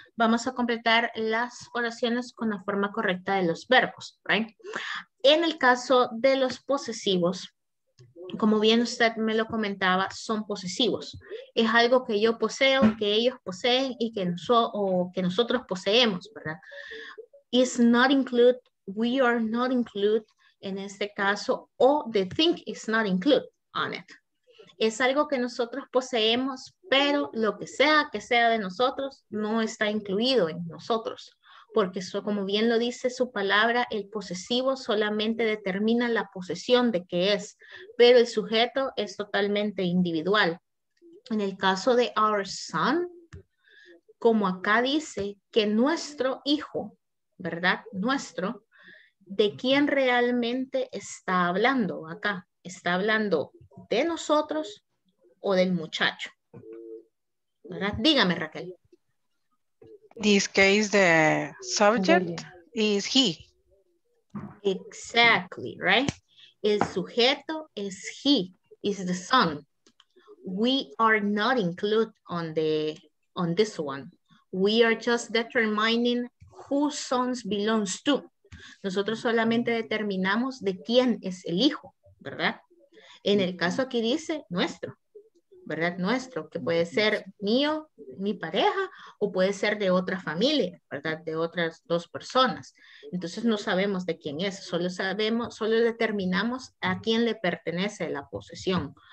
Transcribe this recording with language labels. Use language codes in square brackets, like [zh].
[es] Vamos a completar las oraciones con la forma correcta de los verbos, [en] right? [es] En el caso de los posesivos, como bien usted me lo comentaba, son posesivos. Es algo que yo poseo, que ellos poseen y que, que nosotros poseemos, ¿verdad? [en] Is not include, we are not include, [es] en este caso, [en] o the thing is not include on it. [es] Es algo que nosotros poseemos, pero lo que sea de nosotros, no está incluido en nosotros. Porque eso, como bien lo dice su palabra, el posesivo solamente determina la posesión de qué es. Pero el sujeto es totalmente individual. En el caso de [en] our son, [es] como acá dice, que nuestro hijo, ¿verdad? Nuestro, ¿de quién realmente está hablando acá? Está hablando de nosotros o del muchacho, ¿verdad? Dígame, Raquel. [en] In this case, the subject is he. Exactly, right? [es] El sujeto es [en] he, is the son. We are not included on this one. We are just determining who sons belongs to. [es] Nosotros solamente determinamos de quién es el hijo, ¿verdad? En el caso aquí dice nuestro, ¿verdad? Nuestro, que puede ser mío, mi pareja, o puede ser de otra familia, ¿verdad? De otras dos personas. Entonces no sabemos de quién es, solo sabemos, solo determinamos a quién le pertenece la posesión.